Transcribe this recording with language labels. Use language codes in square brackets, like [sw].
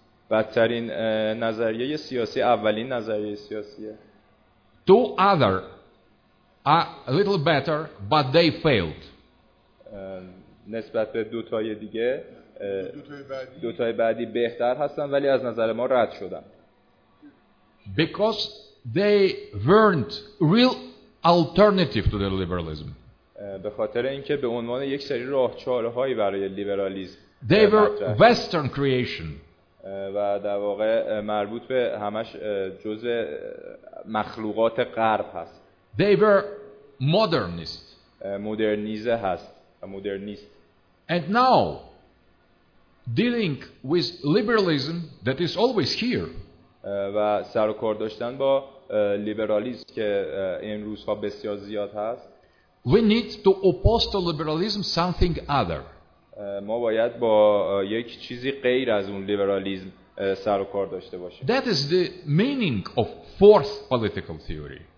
[fa] بدترین نظریه سیاسی اولین نظریه سیاسیه. [en] Two other are a little better, but they failed. [fa] نسبت به دو تای دیگه دو تای بعدی بهتر هستن ولی از نظر ما رد شدن. [en] Because they weren't real alternative to the liberalism. [fa] به خاطر اینکه به عنوان یک سری راهچاله‌هایی برای لیبرالیسم [en] They were western creation [fa] و در واقع مربوط به همش جزء مخلوقات غرب هست [en] They were modernist [fa] مدرنیزه هست مدرنیست [en] And now dealing with liberalism that is always here [fa] و سر و کار داشتن با لیبرالیسم که این روزها بسیار زیاد هست [en] We need to oppose to liberalism something other. [fa] ما باید با یک چیزی غیر از اون لیبرالیسم سر و کار داشته باشیم. [en] That is the meaning of fourth political theory.